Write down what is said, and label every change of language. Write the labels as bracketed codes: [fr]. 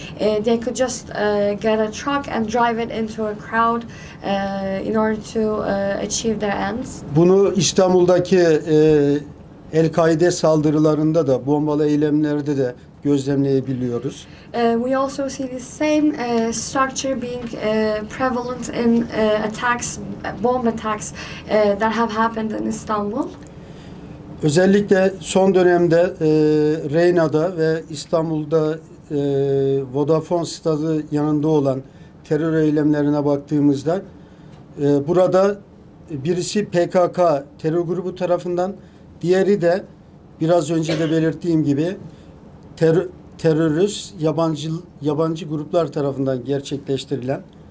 [en] They could just get a truck and drive it into a crowd in order to achieve their ends. [tr] Bunu İstanbul'daki El-Kaide saldırılarında da bombalı eylemlerde de gözlemleyebiliyoruz. [en] We also see the same structure being prevalent in attacks, bomb attacks that have happened in Istanbul. [tr] Özellikle son dönemde Reyna'da ve İstanbul'da Vodafone stadı yanında olan terör eylemlerine baktığımızda burada birisi PKK terör grubu tarafından, diğeri de biraz önce de belirttiğim gibi terörist yabancı gruplar tarafından gerçekleştirilen.